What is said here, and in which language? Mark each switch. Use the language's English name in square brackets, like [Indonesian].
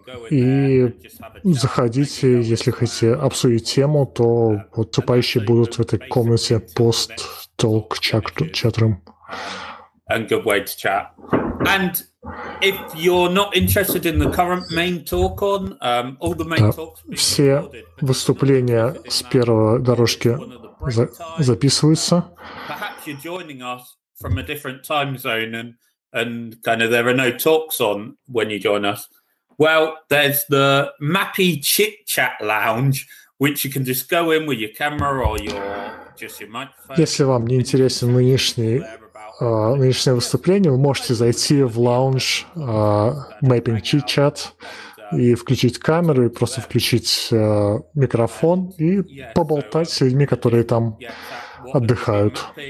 [Russian] И заходите, если хотите обсудить тему, то выступающие будут в этой комнате пост-толк чат-рум. [English] And good way to chat. And if you're not interested in the current main talk on all the main talks, [Russian] все выступления с первой дорожки записываются. [English] Perhaps you're joining us from a different time zone, and kind of there are no talks on when you join us. Well, there's the Mappy Chit Chat Lounge, which you can just go in with your camera or just your microphone. [Russian] Если вам не интересен нынешнее выступление, вы можете зайти в лаунж Mapping Chit Chat и включить камеру, и просто включить микрофон и поболтать с людьми, которые там отдыхают.